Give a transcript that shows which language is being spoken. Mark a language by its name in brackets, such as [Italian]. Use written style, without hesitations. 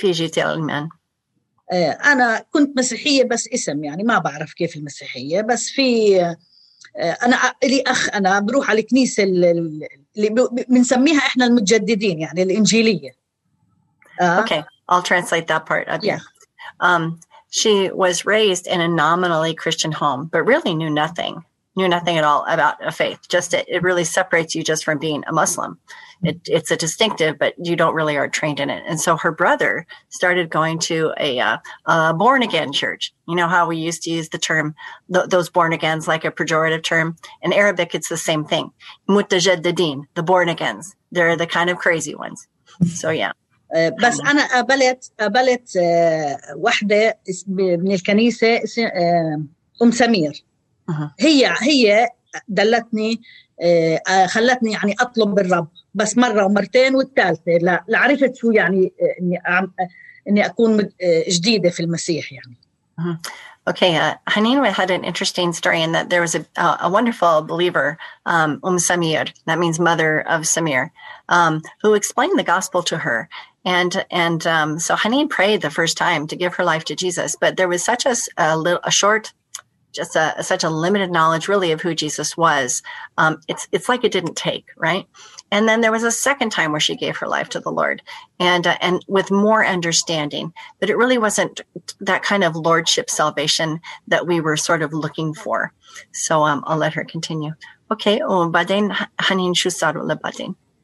[Arabic] أنا كنت مسيحية بس اسم يعني ما بعرف كيف المسيحية بس في أنا لي أخ أنا بروح على الكنيسة اللي بنسميها إحنا المتجددين يعني الإنجيلية. [English] Okay, I'll translate that part. Okay. Yeah. She was raised in a nominally Christian home, but really knew nothing at all about a faith. Just it really separates you just from being a Muslim. It's a distinctive, but you don't really are trained in it. And so her brother started going to a born again church. You know how we used to use the term those born agains like a pejorative term? In Arabic, it's the same thing. Mutajaddidin, the born agains. They're the kind of crazy ones. So yeah. [Arabic] بس أنا قابلت واحدة من الكنيسة أم سمير. هي دلتني خلتني يعني أطلب بالرب بس مرة ومرتين والثالثة لا عرفت شو يعني إني أكون جديدة في المسيح يعني. [English] Okay, Hanin had an interesting story in that there was a wonderful believer, Um Samir, that means mother of Samir, who explained the gospel to her. And so Hanin prayed the first time to give her life to Jesus, but there was such a limited knowledge really of who Jesus was. It's like it didn't take, right? And then there was a second time where she gave her life to the Lord and with more understanding, but it really wasn't that kind of lordship salvation that we were sort of looking for. So I'll let her continue. Okay. [Arabic] وبعدين حنين شو صار لبعدين؟